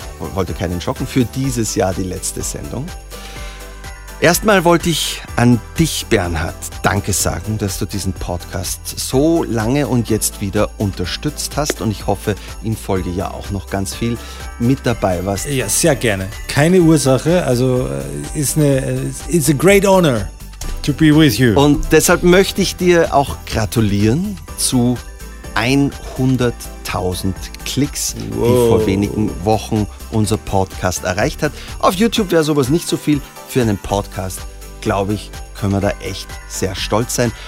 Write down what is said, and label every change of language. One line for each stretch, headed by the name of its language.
German: Ich wollte keinen schocken, für dieses Jahr die letzte Sendung. Erstmal wollte ich an dich, Bernhard, Danke sagen, dass du diesen Podcast so lange und jetzt wieder unterstützt hast. Und ich hoffe, im Folgejahr auch noch ganz viel mit dabei warst. Ja, sehr gerne. Keine Ursache.
English: Also, it's a great honor to be with you.
German: Und deshalb möchte ich dir auch gratulieren zu 100.000 Klicks, Whoa. Die vor wenigen Wochen unser Podcast erreicht hat. Auf YouTube wäre sowas nicht so viel. Für einen Podcast, glaube ich, können wir da echt sehr stolz sein.